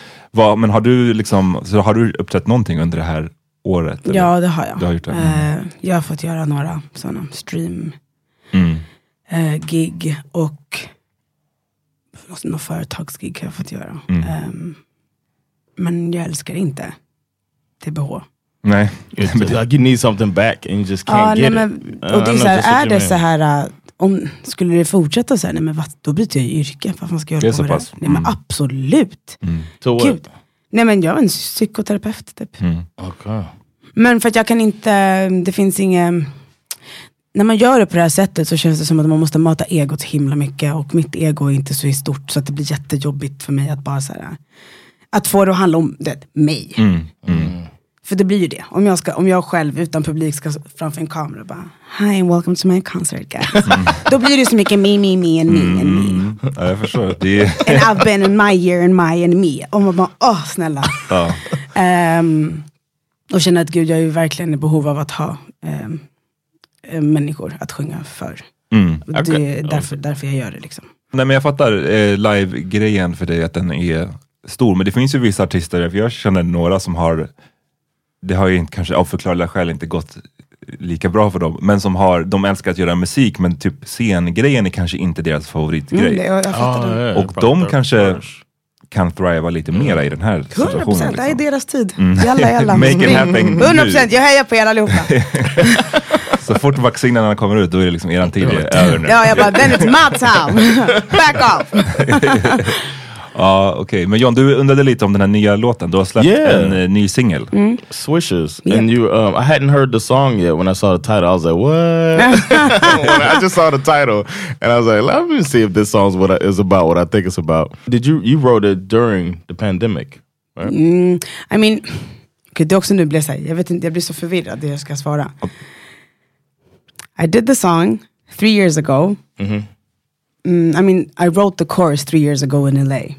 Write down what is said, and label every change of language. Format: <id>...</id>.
<sv>Va, men har du liksom, så har du upptäckt någonting under det här året? Eller? Ja, det har jag. Du har gjort det. Jag har fått göra några sådana stream gig och några företagsgig har jag fått göra. Mm. Men jag älskar inte TBH. Nej.</sv> <en>It's like you need something back and you just can't get it.</en> <sv>Och det är, såhär, är det så här om skulle det fortsätta så här, nej men vad, då byter jag yrke, vad fan ska jag göra med det? Nej men absolut. Mm. Gud. Nej men jag är en psykoterapeut typ. Mm. Okay. Men för att jag kan inte, det finns ingen, när man gör det på det här sättet så känns det som att man måste mata egot himla mycket och mitt ego är inte så stort så att det blir jättejobbigt för mig att bara så här, att få det att handla om det, mig. För det blir ju det. Om jag själv utan publik ska framför en kamera bara</sv> <en>hi and welcome to my concert guys.</en> <sv>Då blir det så mycket</sv> <en>me and me and me.</en> <sv>Ja, jag förstår. Det är...</sv> <en>And I've been in my year and my and me.</en> <sv>Och man bara, åh snälla. Ja. Och känner att gud, jag är ju verkligen i behov av att ha människor att sjunga för. Mm. Okay. Det är därför jag gör det liksom. Nej men jag fattar live-grejen för dig att den är stor. Men det finns ju vissa artister, för jag känner några som har... Det har ju inte, kanske av förklarliga skäl inte gått lika bra för dem. Men som har, de älskar att göra musik, men typ scengrejen är kanske inte deras favoritgrej. Mm, jag fattar det. Yeah, och de kanske kan thriva lite mer i den här 100%, situationen. 100%, liksom. Det är deras tid. Jalla.</sv> <en>Make it happen.</en> <sv>100%, jag hejar på er allihopa. Så fort vaccinerna kommer ut, då är det liksom eran tid över nu. Ja, jag bara,</sv> <en>then it's my time. Back off.</en> <sv>Ja, okej. Men John, du undrade lite om den här nya låten. Du har släppt en ny singel. Mm.</sv> <en>Swishes. Yep. And you, I hadn't heard the song yet when I saw the title. I was like, what? I just saw the title. And I was like, let me see if this song is about what I think it's about. Did you wrote it during the pandemic, right? Mm, I mean, okay,</en> <sv>det också nu blir så här, jag vet inte, jag blir så förvirrad det jag ska svara.</sv> <en>I did the song 3 years ago. Mm-hmm. I mean, I wrote the chorus 3 years ago in LA.</en>